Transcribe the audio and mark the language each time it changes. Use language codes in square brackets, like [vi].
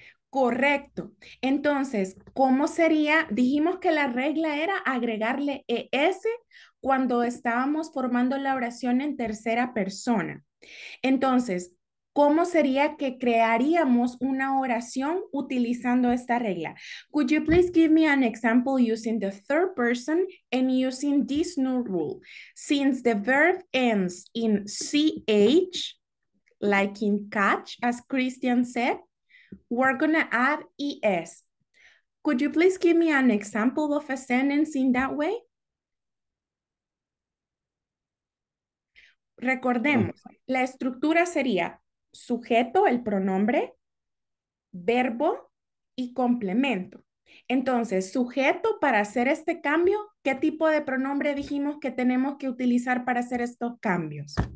[es] Correcto. Entonces, ¿cómo sería? Dijimos que la regla era agregarle ES cuando estábamos formando la oración en tercera persona. Entonces, ¿cómo sería que crearíamos una oración utilizando esta regla? [en] Could you please give me an example using the third person and using this new rule? Since the verb ends in CH, like in catch, as Christian said, we're going to add ES. Could you please give me an example of a sentence in that way? [es] Recordemos, la estructura sería sujeto, el pronombre, verbo y complemento. Entonces, sujeto, para hacer este cambio, ¿qué tipo de pronombre dijimos que tenemos que utilizar para hacer estos cambios?